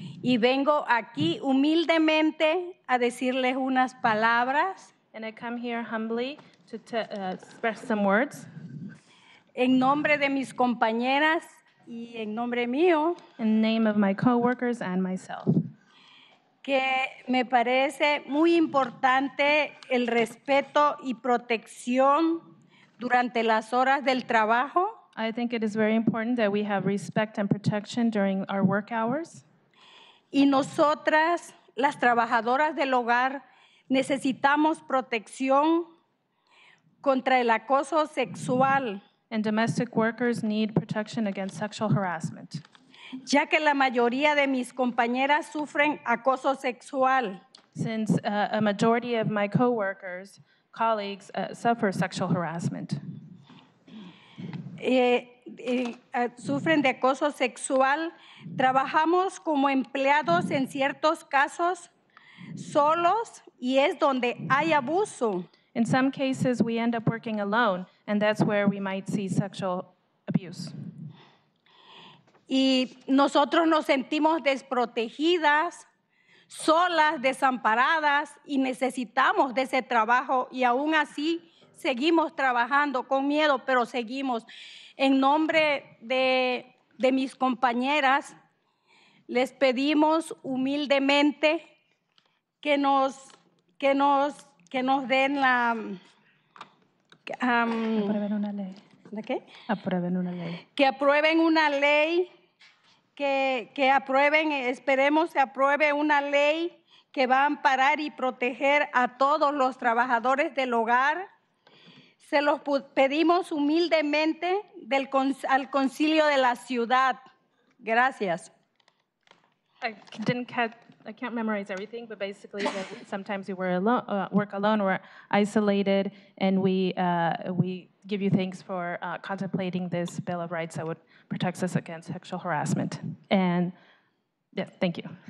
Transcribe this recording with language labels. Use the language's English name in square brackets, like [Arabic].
[Spanish] Y vengo aquí humildemente a decirles unas palabras. [English] And I come here humbly to express some words. [Spanish] En nombre de mis compañeras y en nombre mío. [English] In name of my coworkers and myself. [Spanish] Que me parece muy importante el respeto y protección durante las horas del trabajo. [English] I think it is very important that we have respect and protection during our work hours. [Spanish] Y nosotras, las trabajadoras del hogar, necesitamos protección contra el acoso sexual. [English] And domestic workers need protection against sexual harassment. [Spanish] Ya que la mayoría de mis compañeras sufren acoso sexual. [English] Since a majority of my coworkers, colleagues, suffer sexual harassment. [Spanish] Sufren de acoso sexual. Trabajamos como empleados en ciertos casos solos, y es donde hay abuso. [English] In some cases, we end up working alone, and that's where we might see sexual abuse. [Spanish] Y nosotros nos sentimos desprotegidas, solas, desamparadas, y necesitamos de ese trabajo, y aún así seguimos trabajando con miedo, pero seguimos. En nombre de mis compañeras, les pedimos humildemente que nos den la... aprueben una ley. ¿De qué? Aprueben una ley. Que aprueben una ley, que aprueben, esperemos se apruebe una ley que va a amparar y proteger a todos los trabajadores del hogar. Se los pedimos humildemente al concilio de la ciudad. Gracias. [English] I can't memorize everything, but basically that sometimes we work alone, we're isolated, and we give you thanks for contemplating this Bill of Rights that would protect us against sexual harassment. And yeah, thank you.